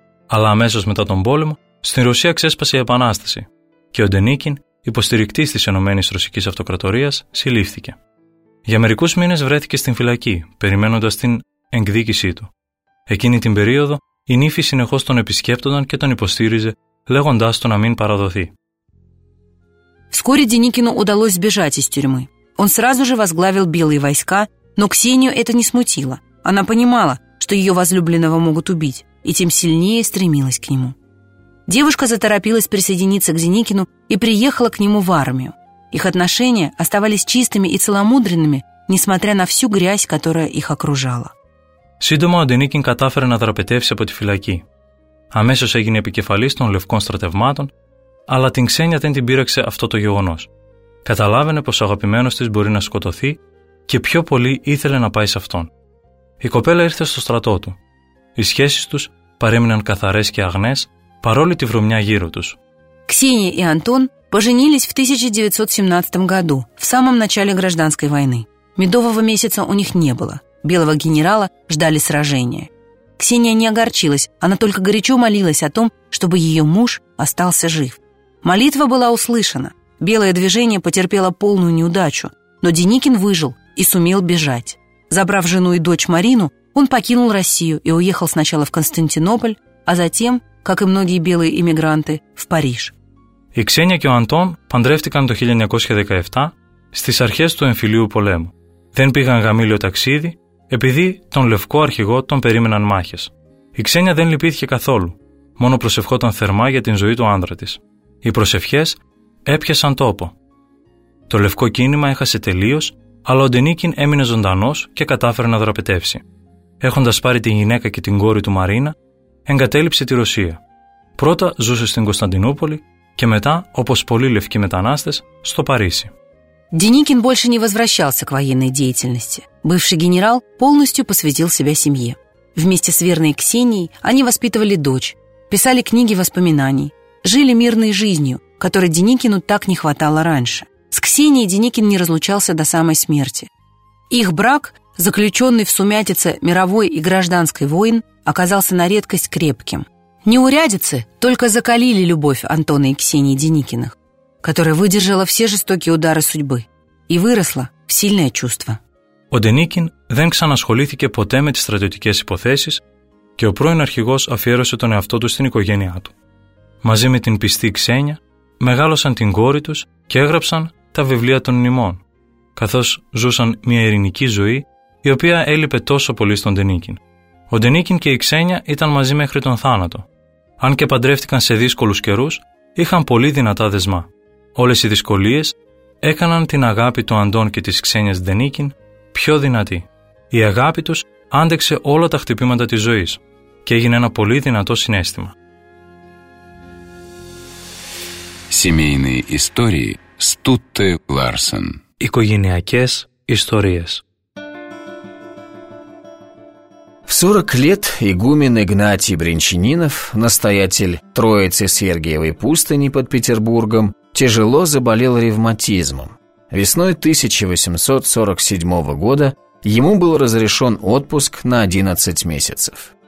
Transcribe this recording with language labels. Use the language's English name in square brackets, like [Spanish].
[Greek] Αλλά αμέσως μετά τον πόλεμο, στην Ρωσία ξέσπασε η Επανάσταση και ο Ντενίκιν, υποστηρικτής της Ενωμένης Ρωσικής Αυτοκρατορίας, συλλήφθηκε. Για μερικούς μήνες βρέθηκε στην φυλακή, περιμένοντας την εκδίκησή του. Εκείνη την περίοδο, η νύφη συνεχώς τον επισκέπτονταν και τον υποστήριζε, λέγοντάς του να μην παραδοθεί. [Russian] Вскоре Деникину удалось сбежать из тюрьмы. Он сразу же возглавил белые войска, но Ксению это не смутило. Она понимала, что ее возлюбленного могут убить, и тем сильнее стремилась к нему. Девушка заторопилась присоединиться к Деникину и приехала к нему в армию. Их отношения оставались чистыми и целомудренными, несмотря на всю грязь, которая их окружала. [Greek] Σύντομα ο Ντενίκιν κατάφερε να δραπετεύσει από τη φυλακή. Αμέσως έγινε επικεφαλής των Λευκών Στρατευμάτων, αλλά την Ξένια δεν την πείραξε αυτό το γεγονός. Καταλάβαινε πως ο αγαπημένος της μπορεί να σκοτωθεί και πιο πολύ ήθελε να πάει σε αυτόν. Η κοπέλα ήρθε στο στρατό του. Οι σχέσεις τους παρέμειναν καθαρές και αγνές, παρόλη τη βρωμιά γύρω τους. Ξένια και Αντών [Russian] поженились в 1917 году, в самом начале гражданской войны. Медового месяца у них не было. Белого генерала ждали сражения. Ксения не огорчилась, она только горячо молилась о том, чтобы ее муж остался жив. Молитва была услышана. Белое движение потерпело полную неудачу, но Деникин выжил и сумел бежать. Забрав жену и дочь Марину, он покинул Россию и уехал сначала в Константинополь, а затем, как и многие белые эмигранты, в Париж. [Greek] И Ксения и Антон пандрефтикан в 1917 в архес του Эмφυλίου Πολέμου. Δεν πήγαν γαμήλιο ταξίδι, επειδή τον λευκό αρχηγό τον περίμεναν μάχες. Η Ξένια δεν λυπήθηκε καθόλου, μόνο προσευχόταν θερμά για την ζωή του άντρα της. Οι προσευχές έπιασαν τόπο. Το λευκό κίνημα έχασε τελείως, αλλά ο Ντενίκιν έμεινε ζωντανός και κατάφερε να δραπετεύσει. Έχοντας πάρει την γυναίκα και την κόρη του Μαρίνα, εγκατέλειψε τη Ρωσία. Πρώτα ζούσε στην Κωνσταντινούπολη και μετά, όπως πολλοί λευκοί μετανάστες, στο Παρίσι. [Russian] Деникин больше не возвращался к военной деятельности. Бывший генерал полностью посвятил себя семье. Вместе с верной Ксенией они воспитывали дочь, писали книги воспоминаний, жили мирной жизнью, которой Деникину так не хватало раньше. С Ксенией Деникин не разлучался до самой смерти. Их брак, заключенный в сумятице мировой и гражданской войн, оказался на редкость крепким. Неурядицы только закалили любовь Антона и Ксении Деникиных, которая выдержала все жестокие удары судьбы и выросла в сильное чувство. [Greek] Ο Ντενίκιν δεν ξανασχολήθηκε ποτέ με τις στρατιωτικές υποθέσεις και ο πρώην αρχηγός αφιέρωσε τον εαυτό του στην οικογένειά του. Μαζί με την πιστή Ξένια, μεγάλωσαν την κόρη τους και έγραψαν τα βιβλία των μνημών, καθώς ζούσαν μια ειρηνική ζωή η οποία έλειπε τόσο πολύ στον Ντενίκιν. Ο Ντενίκιν και η Ξένια ήταν μαζί μέχρι τον θάνατο. Αν και παντρεύτηκαν σε δύσκολους καιρούς, είχαν πολύ δυνατά δεσμά. Όλες οι δυσκολίες έκαναν την αγάπη του Αντών και της Ξένιας Ντενίκιν πιο δυνατή. Η αγάπη τους άντεξε όλα τα χτυπήματα της ζωής και έγινε ένα πολύ δυνατό συνέστημα. [Russian] Семейные истории Стутте Ларсен. [Greek] Οικογενειακές ιστορίες. [Russian] В 40 лет игумен Игнатий Брянчанинов, настоятель Троицы Сергиевой пустыни под Петербургом, тяжело заболел ревматизмом. Весной 1847 года ему был разрешен отпуск на 11 месяцев.